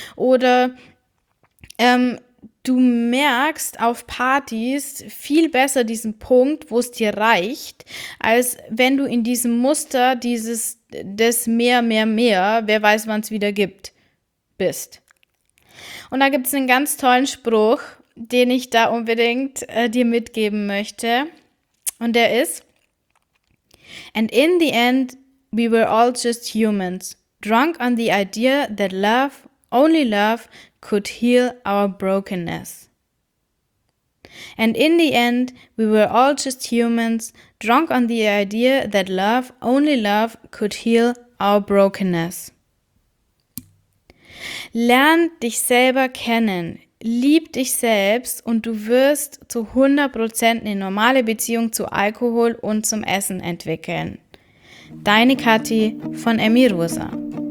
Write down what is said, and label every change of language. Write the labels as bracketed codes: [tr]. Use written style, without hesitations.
[de] Oder du merkst auf Partys viel besser diesen Punkt, wo es dir reicht, als wenn du in diesem Muster das mehr, mehr, mehr, wer weiß, wann es wieder gibt, bist. Und da gibt es einen ganz tollen Spruch, den ich da unbedingt dir mitgeben möchte. Und der ist: [en] And in the end, we were all just humans, drunk on the idea that love, only love, could heal our brokenness. And in the end, we were all just humans, drunk on the idea that love, only love, could heal our brokenness. [de] Lern dich selber kennen, lieb dich selbst und du wirst zu 100% eine normale Beziehung zu Alkohol und zum Essen entwickeln. Deine Kathi von Emi Rosa.